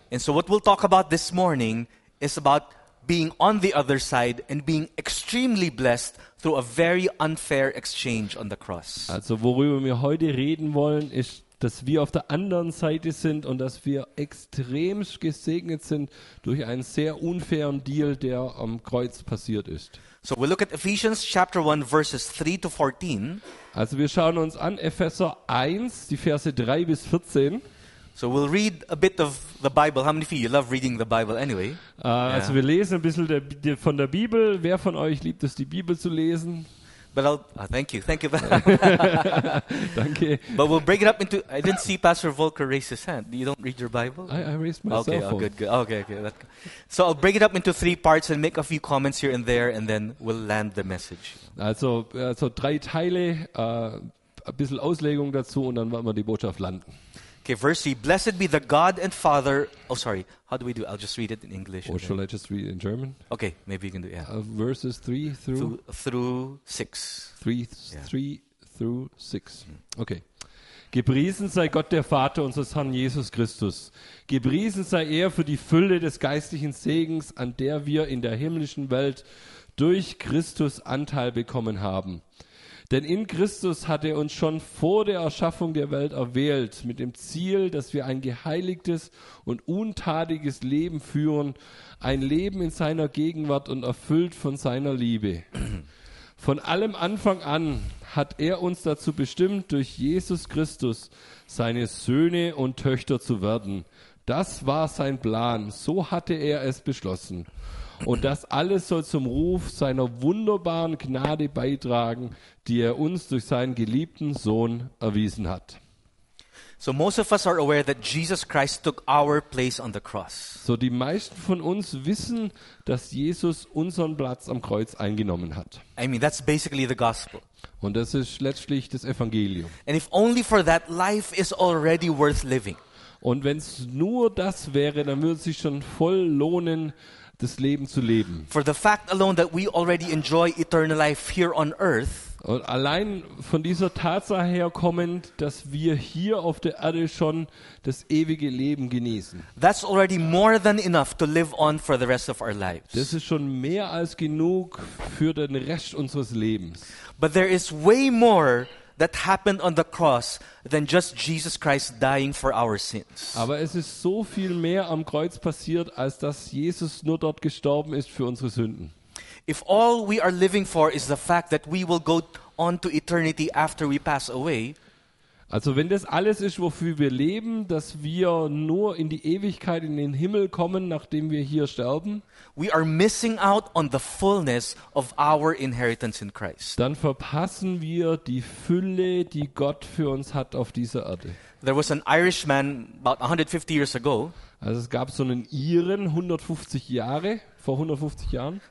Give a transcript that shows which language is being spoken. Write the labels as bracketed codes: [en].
[en] And so what we'll talk about this morning is about being on the other side and being extremely blessed through a very unfair exchange on the cross. [de] Also worüber wir heute reden wollen, ist, dass wir auf der anderen Seite sind und dass wir extrem gesegnet sind durch einen sehr unfairen Deal, der am Kreuz passiert ist. [en] So we look at Ephesians chapter 1 verses 3 to 14. [de] Also wir schauen uns an Epheser 1, die Verse 3 bis 14. [en] So we'll read a bit of the Bible. How many of you love reading the Bible anyway? [de] Also wir lesen ein bisschen von der Bibel. Wer von euch liebt es, die Bibel zu lesen? [en] But I'll thank you. [de] Danke. [en] But we'll break it up into I didn't see Pastor Volker raise his hand. You don't read your Bible? I raised my cell phone. Okay. So I'll break it up into 3 parts and make a few comments here and there and then we'll land the message. [de] Also 3 Teile, ein bisschen Auslegung dazu und dann werden wir die Botschaft landen. [en] Okay, verse 3, blessed be the God and Father. Oh, sorry. How do we do? I'll just read it in English. Or shall I just read it in German? Okay, maybe you can do it. Verses 3 through 6. Okay. [de] Gepriesen sei Gott, der Vater unseres Herrn Jesus Christus. Gepriesen sei er für die Fülle des geistlichen Segens, an der wir in der himmlischen Welt durch Christus Anteil bekommen haben. Denn in Christus hat er uns schon vor der Erschaffung der Welt erwählt, mit dem Ziel, dass wir ein geheiligtes und untadiges Leben führen, ein Leben in seiner Gegenwart und erfüllt von seiner Liebe. Von allem Anfang an hat er uns dazu bestimmt, durch Jesus Christus seine Söhne und Töchter zu werden. Das war sein Plan, so hatte er es beschlossen. Und das alles soll zum Ruf seiner wunderbaren Gnade beitragen, die er uns durch seinen geliebten Sohn erwiesen hat. [en] So most of us are aware that Jesus Christ took our place on the cross. [de] So die meisten von uns wissen, dass Jesus unseren Platz am Kreuz eingenommen hat. [en] I mean, that's basically the gospel. [de] Und das ist letztlich das Evangelium. [en] And if only for that, life is already worth living. [de] Und wenn es nur das wäre, dann würde es sich schon voll lohnen, das Leben zu leben. [en] For the fact alone that we already enjoy eternal life here on earth. [de] Und allein von dieser Tatsache her kommend, dass wir hier auf der Erde schon das ewige Leben genießen. [en] That's already more than enough to live on for the rest of our lives. [de] Das ist schon mehr als genug für den Rest unseres Lebens. [en] But there is way more that happened on the cross than just Jesus Christ dying for our sins. [de] Aber es ist so viel mehr am Kreuz passiert, als dass Jesus nur dort gestorben ist für unsere Sünden. [en] If all we are living for is the fact that we will go on to eternity after we pass away. [de] Also wenn das alles ist, wofür wir leben, dass wir nur in die Ewigkeit, in den Himmel kommen, nachdem wir hier sterben. [en] We are missing out on the fullness of our inheritance in Christ. [de] Dann verpassen wir die Fülle, die Gott für uns hat auf dieser Erde. [en] There was an Irishman about 150 years ago. [de] Also es gab so einen Iren 150 Jahre vor 150 Jahren.